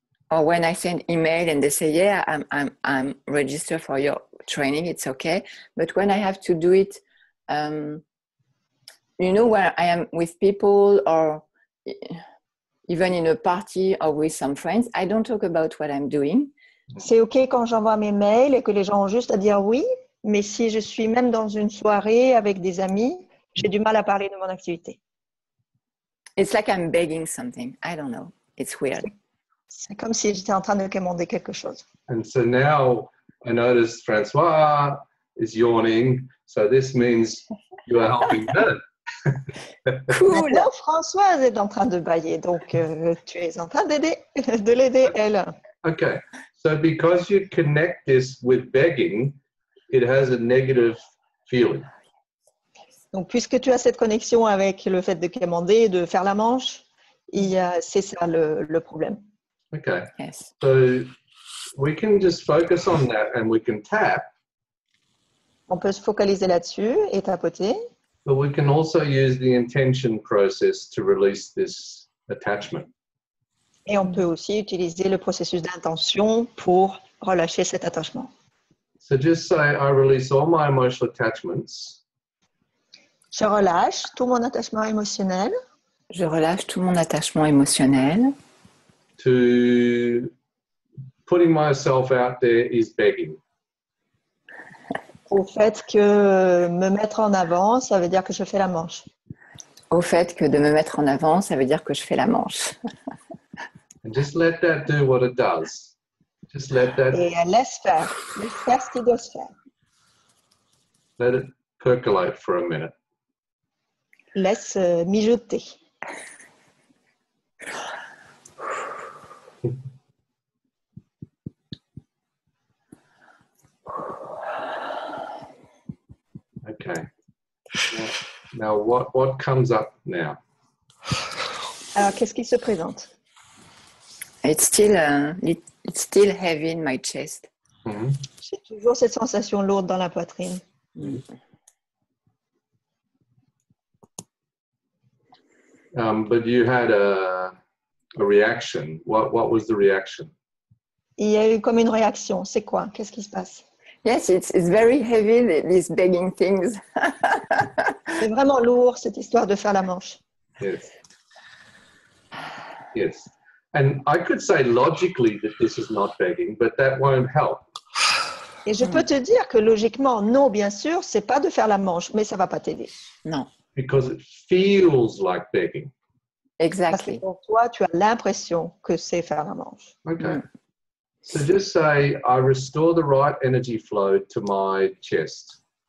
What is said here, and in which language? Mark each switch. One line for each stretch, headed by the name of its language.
English: Or when I send email and they say, yeah, I'm registered for your training, it's okay. But when I have to do it, you know, where I am with people or even in a party or with some friends, I don't talk about what I'm doing.
French: C'est okay quand j'envoie mes mails et que les gens ont juste à dire oui, mais si je suis même dans une soirée avec des amis, j'ai du mal à parler de mon activité.
English: It's like I'm begging something. I don't know. It's weird.
French: C'est comme si j'étais en train de demander quelque chose.
English: And so now I notice François is yawning. So this means you are helping her.
French: Cool. Alors, Françoise est en train de bâiller. Donc tu es en train de l'aider, elle.
English: Okay. So because you connect this with begging, it has a negative feeling.
French: Donc, puisque tu as cette connexion avec le fait de commander, de faire la manche, c'est ça le problème.
English: Okay. Yes. So, we can just focus on that and we can tap.
French: On peut se focaliser là-dessus et tapoter.
English: But we can also use the intention process to release this attachment.
French: Et on peut aussi utiliser le processus d'intention pour relâcher cet attachement.
English: So, just say, I release all my emotional attachments.
French: Je relâche tout mon attachement émotionnel. Je relâche tout mon attachement émotionnel.
English: To putting myself out there is begging.
French: Au fait que me mettre en avant, ça veut dire que je fais la manche. Au fait que de me mettre en avant, ça veut dire que je fais la manche.
English: And just let that do what it does. Just let that.
French: Et laisse faire. Laisse faire ce qu'il doit se faire.
English: Let it percolate for a minute.
French: Laisse mijoter.
English: Okay. Now what comes up now?
French: Alors, qu'est-ce qui se présente?
English: It's still heavy in my chest. Mm-hmm.
French: J'ai toujours cette sensation lourde dans la poitrine. Mm-hmm.
English: But you had a reaction. What was the reaction?
French: Il y a eu comme une réaction. C'est quoi? Qu'est-ce qui se passe?
English: Yes, it's very heavy, these begging things.
French: C'est vraiment lourd, cette histoire de faire la manche.
English: Yes. Yes. And I could say logically that this is not begging, but that won't help.
French: Et je peux te dire que logiquement, non, bien sûr, c'est pas de faire la manche, mais ça va pas t'aider. Non.
English: Because it feels like begging. Exactly.
French: Parce que pour toi, tu as l'impression que c'est faire la manche.
English: Okay. Mm. So just say, I restore the right energy flow to my chest.